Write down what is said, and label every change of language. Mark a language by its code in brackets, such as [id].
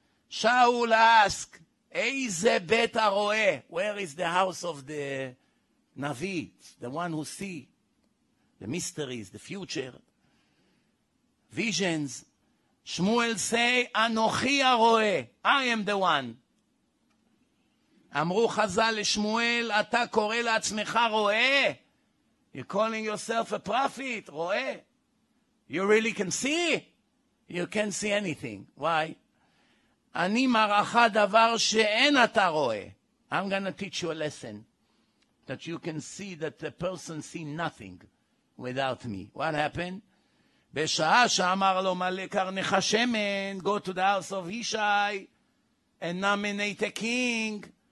[en] Shaul asked, [he] Eize bet aroe, [en] where is the house of the Navi, the one who see the mysteries, the future, visions? Shmuel say, [he] Anochi aroe, [en] I am the one. [he] Amru Chazal Shmuel, ata kore la'atzmecha roe. [en] You're calling yourself a prophet, roe. You really can see? You can't see anything. Why? [he] אני מראה דבר שאין אתה רואה. [en] I'm going to teach you a lesson that you can see that the person see nothing without me. What happened? [he] בשעה שאמר לו מלא קרנך שמן, [en] go to the house of Ishai and nominate a king.